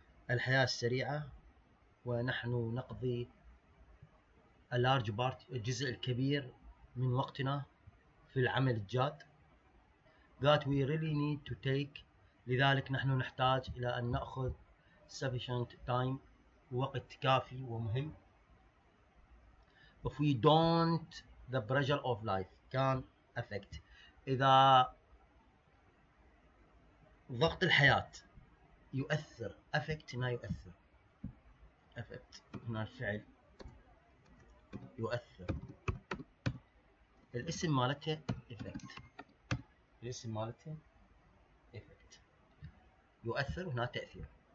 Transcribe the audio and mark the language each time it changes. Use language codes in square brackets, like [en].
[ar] الحياة سريعة ونحن نقضي [en] a large part [ar] الجزء الكبير من وقتنا في العمل الجاد. [en] That we really need to take. [ar] لذلك نحن نحتاج إلى أن نأخذ [en] sufficient time. [ar] وقت كافي ومهم. [en] If we don't the pressure of life can affect. [ar] إذا ضغط الحياة يؤثر affect هنا يؤثر affect هنا الفعل يؤثر الاسم مالته effect الاسم مالته effect يؤثر هنا تأثير.